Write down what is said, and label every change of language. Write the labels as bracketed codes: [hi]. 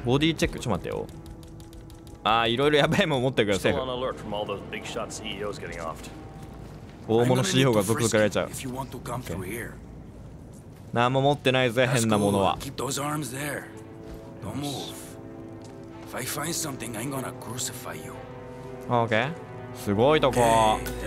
[ja] ボディチェック、ちょっと待ってよ。あー、いろいろやばいもん持ってくる。セーフ。 [en] Still on alert from all those big shot CEOs getting off。 [ja] 大物 CEO が続々やられちゃう。何も持ってないぜ、変なものは。 [en] Keep those arms there. Don't move. If I find something, I'm gonna crucify you. [ja] Okay. すごいとこ。